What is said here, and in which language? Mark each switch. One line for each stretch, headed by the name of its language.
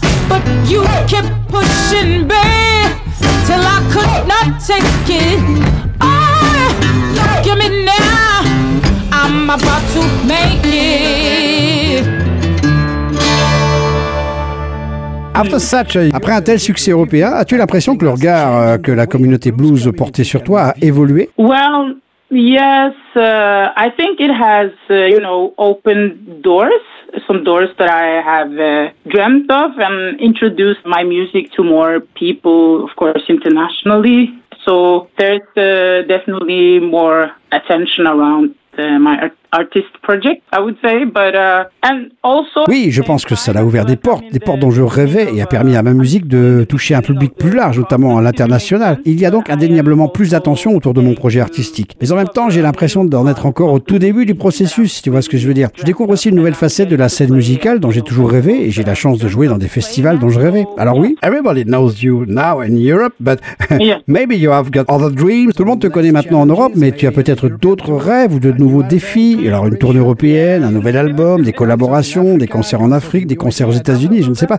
English: But you kept pushing me till I could not take it. Oh, look at me now, I'm about to make it. After such a...
French: Après un tel succès européen, as-tu l'impression que le regard que la communauté blues portait sur toi a évolué?
English: Well, yes, I think it has, you know, opened doors. Some doors that I have dreamt of and introduced my music to more people, of course, internationally. So there's definitely more attention around my artist project, I would say. But and also,
French: oui, je pense que ça a ouvert des portes dont je rêvais et a permis à ma musique de toucher un public plus large, notamment à l'international. Il y a donc indéniablement plus d'attention autour de mon projet artistique. Mais en même temps, j'ai l'impression d'en être encore au tout début du processus, tu vois ce que je veux dire. Je découvre aussi une nouvelle facette de la scène musicale dont j'ai toujours rêvé et j'ai la chance de jouer dans des festivals dont je rêvais. Alors oui,
English: everybody knows you now in Europe, but maybe you have got other dreams.
French: Tout le monde te connaît maintenant en Europe, mais tu as peut-être d'autres rêves ou de nouveaux défis. Alors une tournée européenne, un nouvel album, des collaborations, des concerts en Afrique, des concerts aux États-Unis, je ne sais pas.